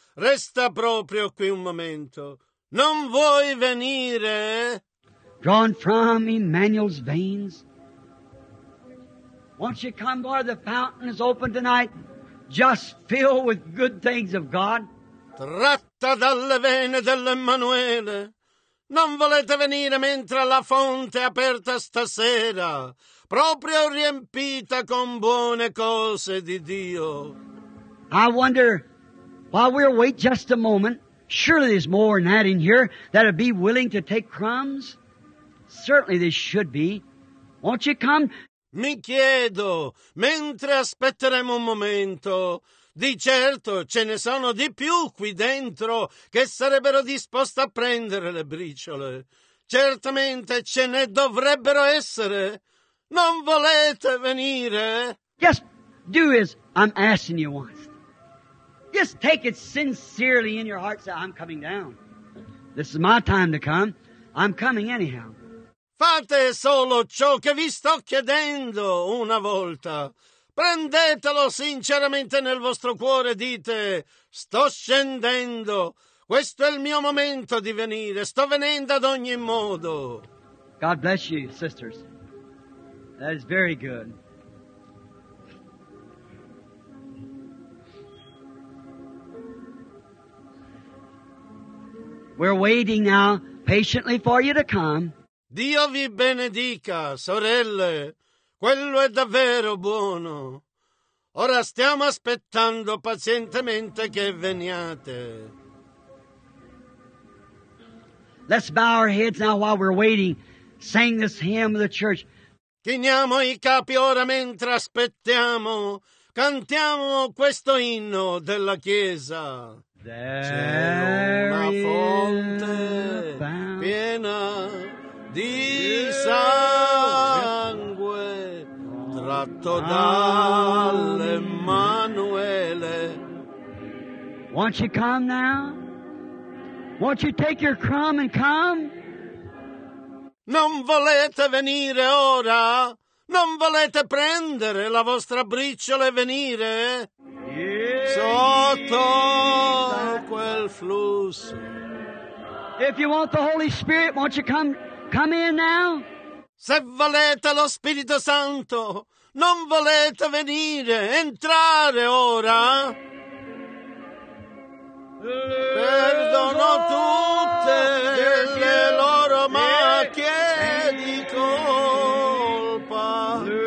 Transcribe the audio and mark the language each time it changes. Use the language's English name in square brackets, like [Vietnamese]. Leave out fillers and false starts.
[Italian] Resta proprio qui un momento. Non vuoi venire? [English] Drawn from Emmanuel's veins. Won't you come, Lord? The fountain is open tonight, just filled with good things of God. [Italian] Tratta dalle vene dell'Emmanuele. Non volete venire mentre la fonte è aperta stasera, proprio riempita con buone cose di Dio. [English] I wonder, while we'll wait just a moment, surely there's more than that in here that'll be willing to take crumbs? Certainly there should be. Won't you come? [Italian] Mi chiedo, mentre aspetteremo un momento, di certo ce ne sono di più qui dentro che sarebbero disposti a prendere le briciole. Certamente ce ne dovrebbero essere. Non volete venire? [English] Just do as I'm asking you once. Just take it sincerely in your heart. Say, I'm coming down. This is my time to come. I'm coming anyhow. [Italian] Fate solo ciò che vi sto chiedendo una volta. Prendetelo sinceramente nel vostro cuore, dite, sto scendendo, questo è il mio momento di venire, sto venendo ad ogni modo. [English] God bless you, sisters. That is very good. We're waiting now patiently for you to come. [Italian] Dio vi benedica, sorelle. Quello è davvero buono. Ora stiamo aspettando pazientemente che veniate. [English] Let's bow our heads now while we're waiting. Sing this hymn of the church. [Italian] Chiniamo i capi ora mentre aspettiamo. Cantiamo questo inno della Chiesa. C'è una fonte piena di sangue. Tratto dall'Emmanuele. [English] Won't you come now? Won't you take your crumb and come? [Italian] Non volete venire ora? Non volete prendere la vostra briciola e venire? Sotto quel flusso. [English] If you want the Holy Spirit, won't you come, come in now? [Italian] Se volete lo Spirito Santo, non volete venire, entrare ora? Perdono tutte le loro macchie di colpa.